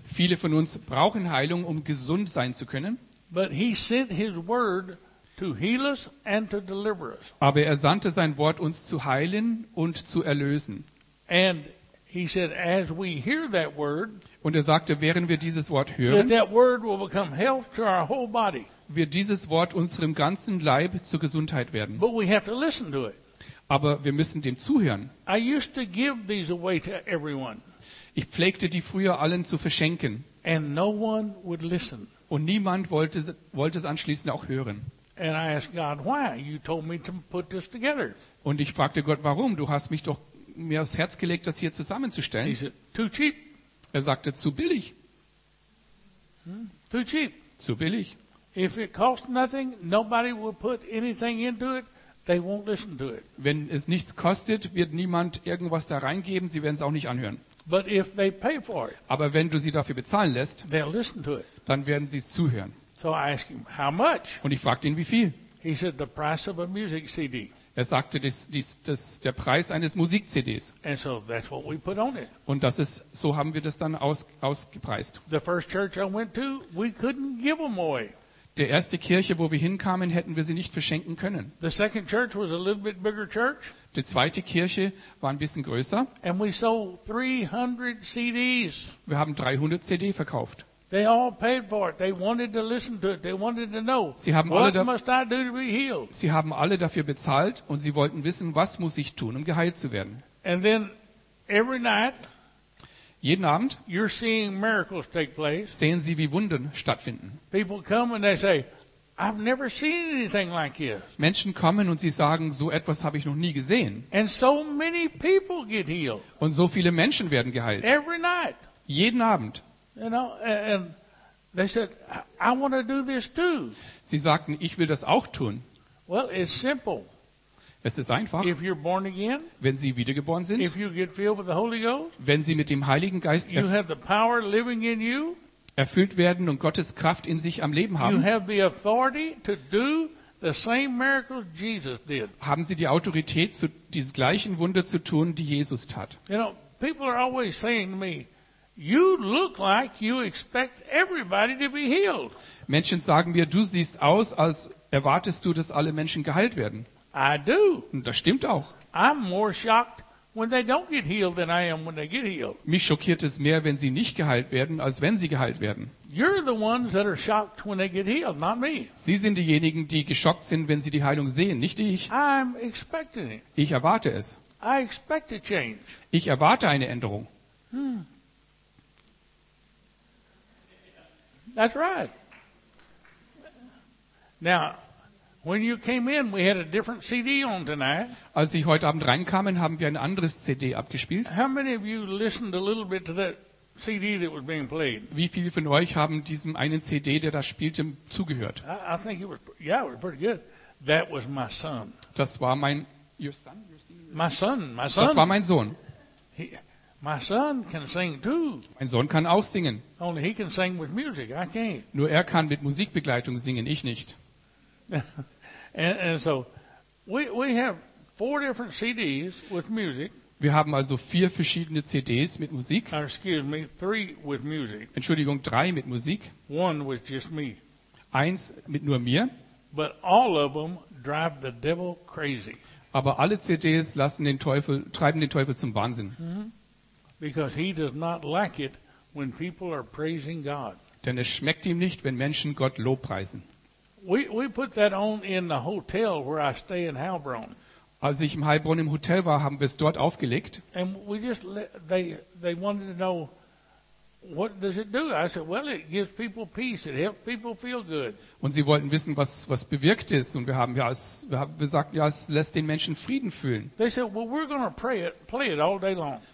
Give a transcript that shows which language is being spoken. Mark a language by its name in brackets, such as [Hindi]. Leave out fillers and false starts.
[German] Viele von uns brauchen Heilung, um gesund sein zu können. [English] But he sent his word to heal us and to deliver us. [German] Aber er sandte sein Wort, uns zu heilen und zu erlösen. [English] And he said, as we hear that word, [German] und er sagte, während wir dieses Wort hören, [English] that word will become health to our whole body. [German] Wird dieses Wort unserem ganzen Leib zur Gesundheit werden. [English] But we have to listen to it. [German] Aber wir müssen dem zuhören. [English] I used to give these away to everyone. [German] Ich pflegte die früher allen zu verschenken. [English] And no one would listen. [German] Und niemand wollte es anschließend auch hören. [English] And I asked God, why? You told me to put this together. [German] Und ich fragte Gott, warum? Du hast mich doch mir aufs Herz gelegt, das hier zusammenzustellen. [English] He said, too cheap. [German] Er sagte, zu billig. [English] Too cheap. [German] Zu billig. [English] If it costs nothing, nobody will put anything into it. They won't listen to it. [German] Wenn es nichts kostet, wird niemand irgendwas da reingeben. Sie werden es auch nicht anhören. [English] But if they pay for it, [German] aber wenn du sie dafür bezahlen lässt, [English] they'll listen to it. [German] Dann werden sie es zuhören. [English] So I asked him, how much? [German] Und ich fragte ihn, wie viel? [English] He said, the price of a music CD. [German] Er sagte, das der Preis eines Musik-CDs. [English] And so that's what we put on it. [German] Und das ist, so haben wir das dann ausgepreist. [English] The first church I went to, we couldn't give them away. [German] Der erste Kirche, wo wir hinkamen, hätten wir sie nicht verschenken können. [English] The second church was a little bit bigger church. [German] Die zweite Kirche war ein bisschen größer. [English] And we sold 300 CDs. [German] Wir haben 300 CD verkauft. [English] They all paid for it. They wanted to listen to it. They wanted to know. [German] Sie haben alle [English] must I do to be healed? [German] Sie haben alle dafür bezahlt und sie wollten wissen, was muss ich tun, um geheilt zu werden. [English] And then every night, [German] jeden Abend, [English] you're seeing miracles take place. [German] Sehen Sie, wie Wunder stattfinden. [English] People come and they say, I've never seen anything like this. [German] Menschen kommen und sie sagen, so etwas habe ich noch nie gesehen. [English] And so many people get healed. [German] Und so viele Menschen werden geheilt. [English] Every night. [German] Jeden Abend. [English] You know, and they said, I want to do this too. [German] Sie sagten, ich will das auch tun. [English] Well, it's simple. [German] Es ist einfach. [English] If you're born again, [German] wenn sie wiedergeboren sind, [English] if you get filled with the Holy Ghost, [German] wenn sie mit dem Heiligen Geist [English] you have the power living in you, [German] erfüllt werden und Gottes Kraft in sich am Leben haben, [English] you have the authority to do the same miracles Jesus did. [German] Haben sie die Autorität, zu diesen gleichen Wunder zu tun, die Jesus tat. [English] You know, people are always saying to me, you look like you expect everybody to be healed. [German] Menschen sagen mir, du siehst aus, als erwartest du, dass alle Menschen geheilt werden. [English] I do. [German] Und das stimmt auch. [English] I'm more shocked when they don't get healed than I am when they get healed. [German] Mich schockiert es mehr, wenn sie nicht geheilt werden, als wenn sie geheilt werden. [English] You're the ones that are shocked when they get healed, not me. [German] Sie sind diejenigen, die geschockt sind, wenn sie die Heilung sehen, nicht ich. [English] I'm expecting it. [German] Ich erwarte es. [English] I expect a change. [German] Ich erwarte eine Änderung. [English] That's right. Now, when you came in, we had a different CD on tonight. [German] Als Sie heute Abend reinkamen, haben wir ein anderes CD abgespielt. [English] How many of you listened a little bit to that CD that was being played? [German] Wie viele von euch haben diesem einen CD, der da spielte, zugehört? [English] I think it was, yeah, it was pretty good. That was my son. [German] Das war mein [English] your son? My son. [German] Das war mein Sohn. [English] My son can sing too. [German] Mein Sohn kann auch singen. [English] Only he can sing with music. I can't. [German] Nur er kann mit Musikbegleitung singen, ich nicht. [English] And so we have four different CDs with music. [German] Wir haben also vier verschiedene CDs mit Musik. [English] Excuse me, three with music. [German] Entschuldigung, drei mit Musik. [English] One with just me. [German] Eins mit nur mir. [English] But all of them drive the devil crazy. [German] Aber alle CDs treiben den Teufel zum Wahnsinn. Mm-hmm. [English] Because he does not like it when people are praising God. [German] Denn es schmeckt ihm nicht, wenn Menschen Gott lobpreisen. [English] We put that on in the hotel where I stay in Heilbronn. [German] Als ich im Heilbronn im Hotel war, haben wir es dort aufgelegt. [English] And we just they wanted to know what does it do? I said, well, it gives people peace. It helps people feel good. [German] Und sie wollten wissen, was bewirkt es. Und wir sagten, es lässt den Menschen Frieden fühlen. [English] They said, well, we're going to play it all day long.